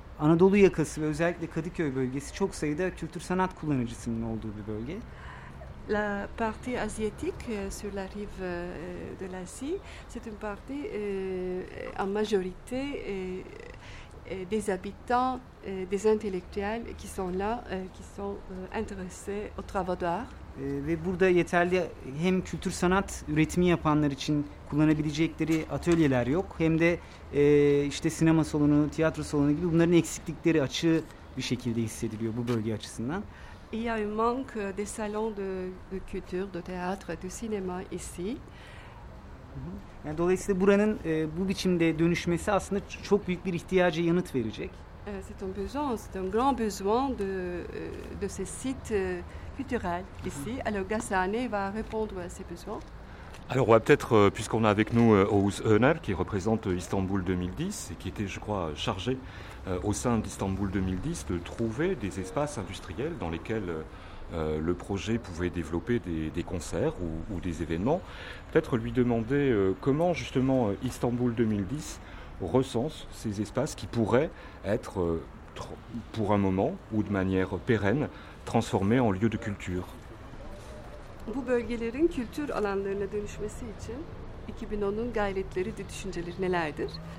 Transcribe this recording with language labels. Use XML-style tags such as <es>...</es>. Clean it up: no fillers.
<tr>Anadolu yakası ve özellikle Kadıköy bölgesi çok sayıda kültür sanat kullanıcısının olduğu bir bölge.</tr> <fr>La partie asiatique sur la rive de l'Asie, c'est une partie en majorité des habitants, des intellectuels qui sont là, qui sont intéressés aux travaux d'art.</fr> <tr>Ve burada yeterli hem kültür sanat üretimi yapanlar için kullanabilecekleri atölyeler yok. Hem de işte sinema salonu, tiyatro salonu gibi bunların eksiklikleri açığı bir şekilde hissediliyor bu bölge açısından.</tr> <fr>Il y a un manque de salons de culture, de théâtre, de cinéma ici.</fr> <tr>Yani dolayısıyla buranın bu biçimde dönüşmesi aslında çok büyük bir ihtiyaca yanıt verecek.</tr> <fr>C'est un besoin, c'est un grand besoin de ces sites culturels ici. Alors Gassane va répondre à ces besoins. Alors on va peut-être, puisqu'on a avec nous Oğuz Öner, qui représente Istanbul 2010 et qui était, je crois, chargé au sein d'Istanbul 2010 de trouver des espaces industriels dans lesquels le projet pouvait développer des concerts ou des événements. Peut-être lui demander comment justement Istanbul 2010 recense ces espaces qui pourraient être, pour un moment ou de manière pérenne, transformés en lieux de culture.</fr> <tr>Bu bölgelerin kültür alanlarına dönüşmesi için 2010'un gayretleri ve düşünceleri nelerdir?</tr>